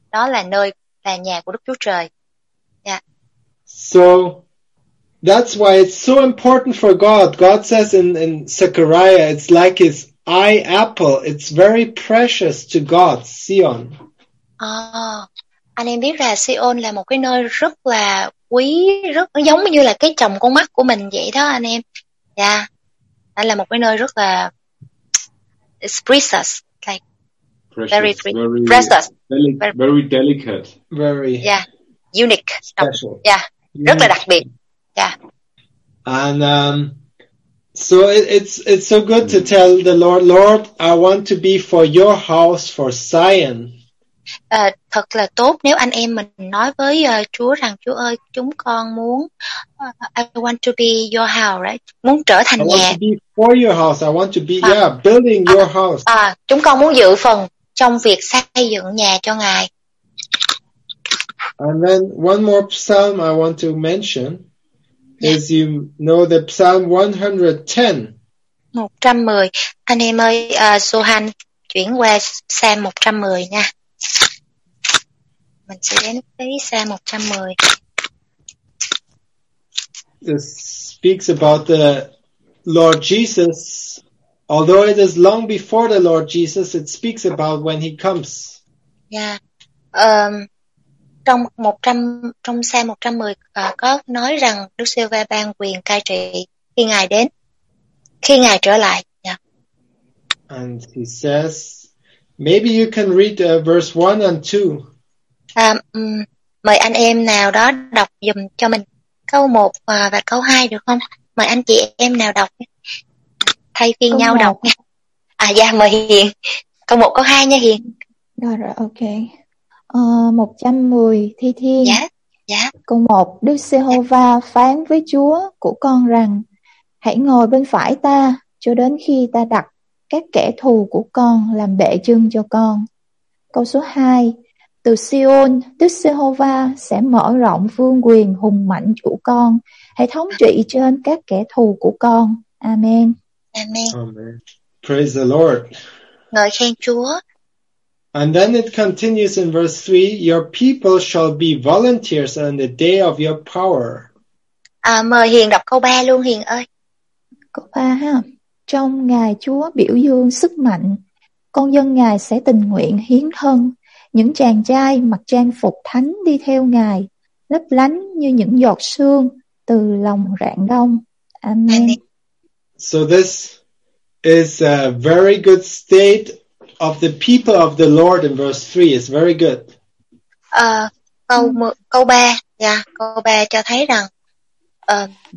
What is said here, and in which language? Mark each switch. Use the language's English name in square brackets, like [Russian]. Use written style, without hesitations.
[Vietnamese] Đó là nơi, là nhà của Đức Chúa Trời. [English] Yeah. So, that's why it's so important for God. God says in Zechariah, it's like his eye apple. It's very precious to God, Zion. [Vietnamese] Anh em biết là Zion là một cái nơi rất là quý, rất giống như là cái chồng con mắt của mình vậy đó anh em. Yeah. Anh là một cái nơi rất là [English] it's precious, like precious, very delicate, very unique, special, [Vietnamese] rất là đặc biệt, yeah. [English] And so it's so good to tell the Lord, Lord, I want to be for your house, for Zion. [Vietnamese] Thật là tốt nếu anh em mình nói với Chúa rằng, Chúa ơi, chúng con muốn [English] I want to be your house, right? [Vietnamese] Muốn trở thành nhà. [English] I want to be for your house. I want to be building your house. [Vietnamese] Chúng con muốn giữ phần trong việc xây dựng nhà cho Ngài. [English] And then one more psalm I want to mention is, you know, the psalm 110. 110. [Vietnamese] Anh em ơi, Sohan chuyển qua psalm 110 nha. Mình sẽ đến với psalm 110. [English] This speaks about the Lord Jesus. Although it is long before the Lord Jesus, it speaks about when he comes. Yeah. [Vietnamese] Trong Psalm 110 có nói rằng Đức Giê-hô-va ban quyền cai trị khi Ngài đến, khi Ngài trở lại. [English] Yeah. And he says, maybe you can read verse 1 and 2. [Vietnamese] Mời anh em nào đó đọc giùm cho mình câu 1 và câu 2 được không? Mời anh chị em nào đọc thay phiên câu nhau 1. Đọc nha. À dạ, mời Hiền. Câu 1, câu 2 nha Hiền. Rồi rồi, ok. 110 Thi Thiên. [English] Yeah, yeah. [Vietnamese] Câu 1. Đức Giê-hô-va phán với Chúa của con rằng: hãy ngồi bên phải ta cho đến khi ta đặt các kẻ thù của con làm bệ chân cho con. Câu số 2. Từ Si-ôn, Đức Giê-hô-va sẽ mở rộng vương quyền hùng mạnh của con, hãy thống trị trên các kẻ thù của con. Amen. Amen. [English] Amen. Praise the Lord. [Vietnamese] Ngợi khen Chúa. [English] And then it continues in verse 3, your people shall be volunteers on the day of your power. [Vietnamese] Mời Hiền đọc câu 3 luôn Hiền ơi. Câu 3 ha. Trong ngày Chúa biểu dương sức mạnh, con dân Ngài sẽ tình nguyện hiến thân. Những chàng trai mặc trang phục thánh đi theo Ngài, lấp lánh như những giọt sương từ lòng rạng đông. Amen. [English] So this is a very good state of the people of the Lord in verse 3 is very good. [Vietnamese] Câu 3, yeah, câu 3 cho thấy rằng